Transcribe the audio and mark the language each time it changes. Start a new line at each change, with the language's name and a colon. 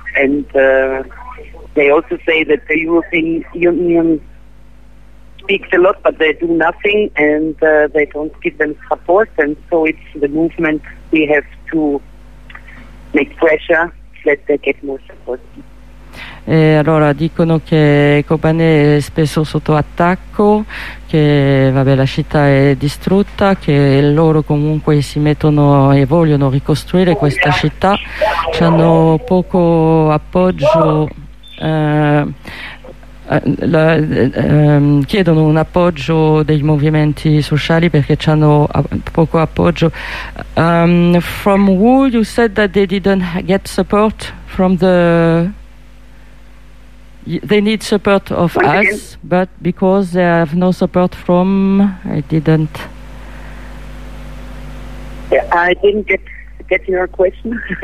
English: And they also say that the European Union speaks a lot, but they do nothing, and they don't give them support. And so it's the movement we have to make pressure that they get more support.
Italian: E allora dicono che Kobane è spesso sotto attacco, che vabbè, la città è distrutta, che loro comunque si mettono e vogliono ricostruire questa città, hanno poco appoggio, chiedono un appoggio dei movimenti sociali perché hanno poco appoggio.
English: From who you said that they didn't get support from the... They need support of Once us, again. But because they have no support from, I didn't. Yeah, I didn't get your question.